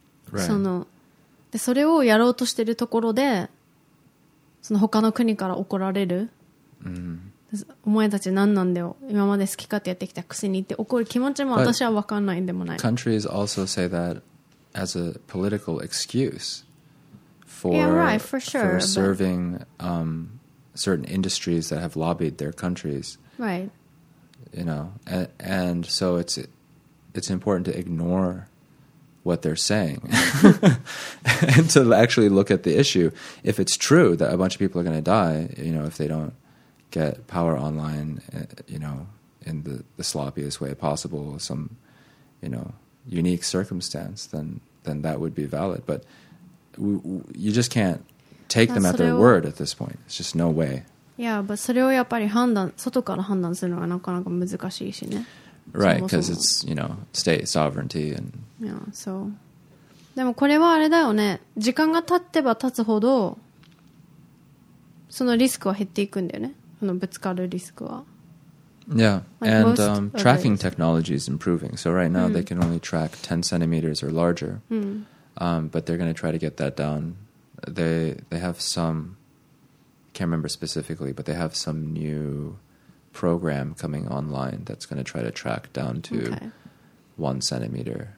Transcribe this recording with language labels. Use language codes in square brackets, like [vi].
[en] right. [ja] そのでそれをやろうとしてるところで、その他の国から怒られる、お前たち何なんだよ、今まで好き勝手やってきたくせにって怒る気持ちも私はわかんないんでもない。 [en] But countries also say that as a political excuse for, yeah, right, for, sure, for serving but... certain industries that have lobbied their countries, right, you know, and so it's important to ignore what they're saying and to actually look at the issue. If it's true that a bunch of people are going to die, you know, if they don't get power online, you know, in the sloppiest way possible, some, you know, unique circumstance, then that would be valid. But you just can't take them at their word at this point. It's just no way. Yeah, but [ja] それをやっぱり判断、外から判断するのはなかなか難しいしね。 [en] Right, because it's, you know, state sovereignty and... Yeah, so... [ja] でもこれはあれだよね。時間が経ってば経つほど、そのリスクは減っていくんだよね。そのぶつかるリスクは。 [en] Yeah, and tracking technology is improving. So right now they can only track 10 centimeters or larger. But they're going to try to get that down. They have some... can't remember specifically, but they have some new program coming online that's going to try to track down to one centimeter.